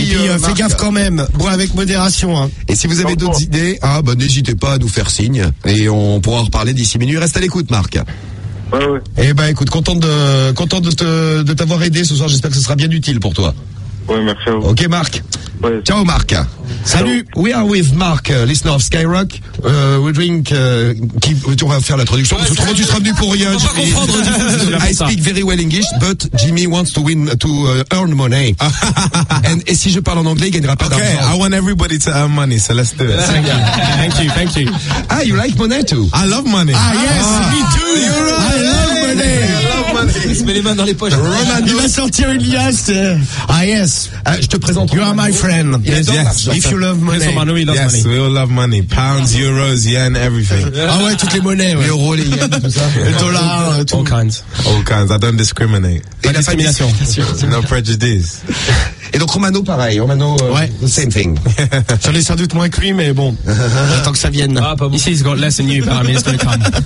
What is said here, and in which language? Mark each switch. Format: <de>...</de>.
<fr>Et puis, fais gaffe quand même, bois avec modération. Hein. Et si vous avez d'autres idées, n'hésitez pas à nous faire signe. Et on pourra en reparler d'ici minuit. Reste à l'écoute, Marc. Ouais. Eh ben écoute, content de t'avoir aidé ce soir. J'espère que ce sera bien utile pour toi. Ouais, merci à vous. Ok, Marc. Ouais. Ciao, Marc.</fr> <en>Salut, we are with Marc, listener of Skyrock.</en> <fr>On va faire la traduction. Ouais, autrement, tu seras venu pour rien. Je peux pas comprendre.</fr> <en>I speak very well English, but Jimmy wants to win, to earn money.</en> <fr>Et si je parle en anglais, il gagnera pas d'argent.</fr> <en>Okay, I want everybody to earn money, so let's do it. Thank you. Ah, you like money too? I love money. Ah, yes, me too. You're right. I love money.</en> <fr>Il se met les mains dans les poches. Romano. Il va sortir une liasse.</fr> <en>Ah, yes.</en> <fr>Je te présente.</fr> <en>You are my friend. Yes. If you love money. Yes, Romano, he loves yes, money. Yes, we all love money. Pounds, euros, yen, everything.</en> <fr>Ah ouais, toutes les monnaies. Ouais. L'euro, les yens, tout ça. Le dollar, tout.</fr> <en>All kinds. I don't discriminate.</en> <fr>Pas discrimination.</fr> <en>No prejudice.</en> <fr>Et donc Romano, pareil. Romano, ouais.</fr> <en>The same thing.</en> <fr>J'en ai sans doute moins que lui, mais bon. Tant que ça vienne. Ah, pas bon. Ici,</fr> <en>he's got less than you, but I mean, it's gonna come.</en>